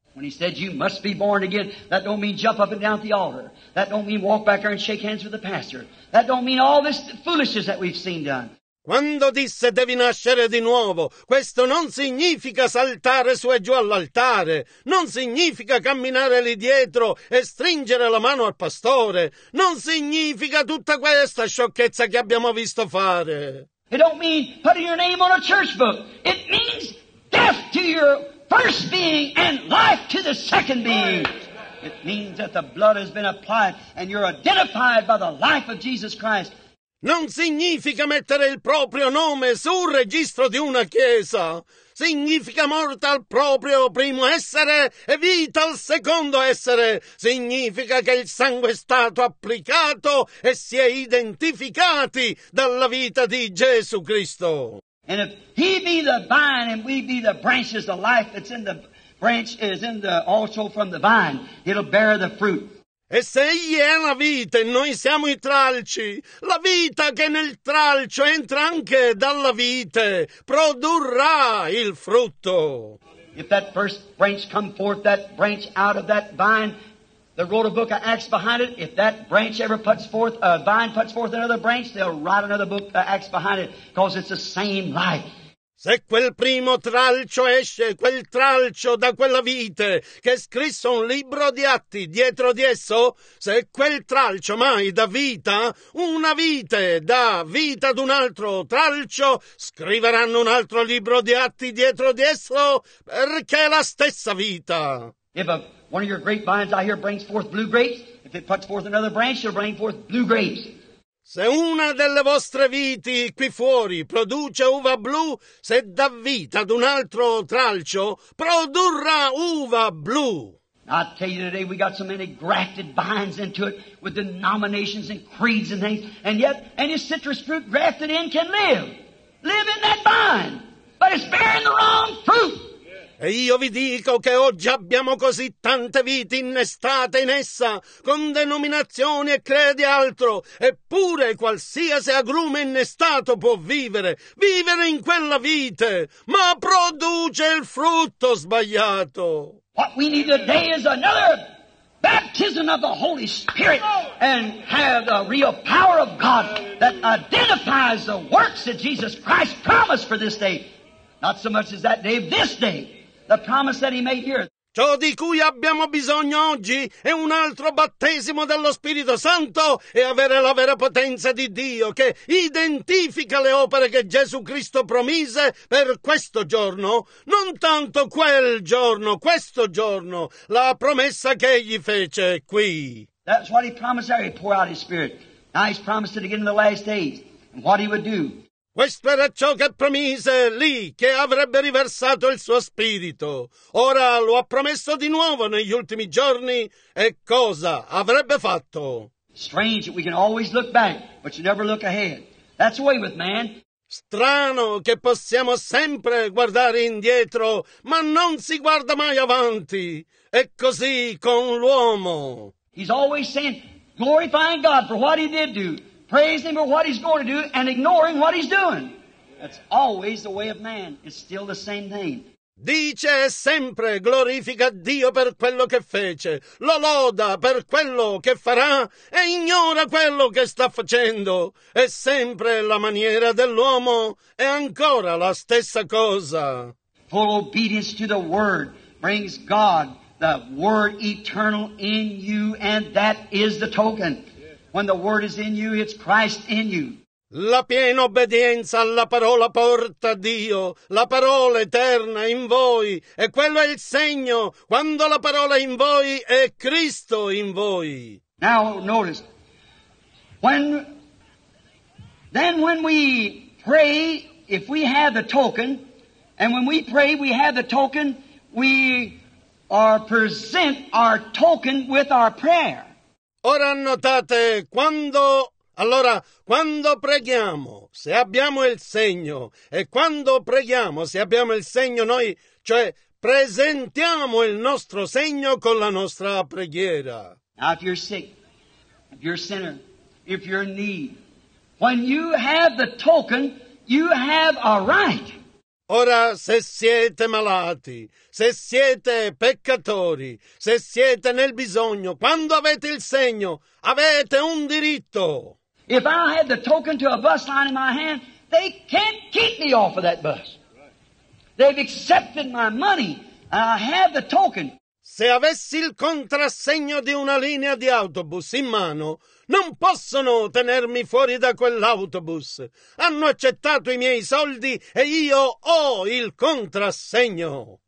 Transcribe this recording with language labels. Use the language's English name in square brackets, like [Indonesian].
[English] When he said you must be born again, that don't mean jump up and down at the altar. That don't mean walk back there and shake hands with the pastor. That don't mean all this foolishness that we've seen done. [Italian] Quando disse devi nascere di nuovo, questo non significa saltare su e giù all'altare. Non significa camminare lì dietro e stringere la mano al pastore. Non significa tutta questa sciocchezza che abbiamo visto fare. [English] It don't mean putting your name on a church book. It means death to your first being and life to the second being. It means that the blood has been applied and you're identified by the life of Jesus Christ. [Italian] non significa mettere il proprio nome sul registro di una chiesa. Significa morte al proprio primo essere e vita al secondo essere. Significa che il sangue è stato applicato e si è identificati dalla vita di Gesù Cristo. [English] And if he be the vine and we be the branches, the life that's in the branch is in the also from the vine, it'll bear the fruit. [Italian] E se egli è la vite e noi siamo i tralci, la vita che nel tralcio entra anche dalla vite produrrà il frutto. [English] If that first branch come forth, that branch out of that vine, they wrote a book of Acts behind it. If that branch ever puts forth, a vine puts forth another branch, they'll write another book of Acts behind it, because it's the same life. [Italian] Se quel primo tralcio esce, quel tralcio da quella vite che è scritto un libro di atti dietro di esso, se quel tralcio mai dà vita, una vite dà vita ad un altro tralcio, scriveranno un altro libro di atti dietro di esso, perché è la stessa vita. [English] If one of your grapevines out here brings forth blue grapes, if it puts forth another branch, it'll bring forth blue grapes. [Italian] Se una delle vostre viti qui fuori produce uva blu, se dà vita ad un altro tralcio, produrrà uva blu. [English] I tell you today, we got so many grafted vines into it with denominations and creeds and things, and yet any citrus fruit grafted in can live in that vine, but it's bearing the wrong fruit. [Italian] E io vi dico che oggi abbiamo così tante viti innestate in essa, con denominazioni e credi altro, eppure qualsiasi agrume innestato può vivere in quella vite, ma produce il frutto sbagliato. [English] What we need today is another baptism of the Holy Spirit and have the real power of God that identifies the works that Jesus Christ promised for this day. Not so much as that day, this day. The promise that he made here. [Italian] Ciò di cui abbiamo bisogno oggi è un altro battesimo dello Spirito Santo e avere la vera potenza di Dio che identifica le opere che Gesù Cristo promise per questo giorno, non tanto quel giorno, questo giorno, la promessa che egli fece qui. [English] That's what he promised there. He poured out his Spirit. Now he's promised it again in the last days. And what he would do. [Italian] Questo era ciò che promise lì, che avrebbe riversato il suo spirito. Ora lo ha promesso di nuovo negli ultimi giorni, e cosa avrebbe fatto? [English] Strange that we can always look back, but you never look ahead. That's the way with man. [Italian] Strano che possiamo sempre guardare indietro, ma non si guarda mai avanti. È così con l'uomo. [English] He's always saying, glorifying God for what he did do. Praising for what he's going to do and ignoring what he's doing. That's always the way of man. It's still the same thing. [Italian] Dice sempre, glorifica Dio per quello che fece, lo loda per quello che farà e ignora quello che sta facendo. È sempre la maniera dell'uomo, è ancora la stessa cosa. [English] Full obedience to the word brings God, the word eternal in you, and that is the token. When the word is in you, it's Christ in you. [Italian] La piena obbedienza alla parola porta a Dio, la parola eterna in voi, e quello è il segno, quando la parola in voi è Cristo in voi. [English] Now notice, when we pray, if we have the token, and when we pray we have the token, we are present our token with our prayer. [Italian] Ora notate, quando preghiamo, se abbiamo il segno, e quando preghiamo, se abbiamo il segno noi, cioè presentiamo il nostro segno con la nostra preghiera. [English] Now if you're sick, if you're a sinner, if you're in need, when you have the token, you have a right. [Italian] Ora, se siete malati, se siete peccatori, se siete nel bisogno, quando avete il segno, avete un diritto. [English] If I had the token to a bus line in my hand, they can't keep me off of that bus. They've accepted my money. I have the token. [Italian] Se avessi il contrassegno di una linea di autobus in mano, non possono tenermi fuori da quell'autobus. Hanno accettato i miei soldi e io ho il contrassegno.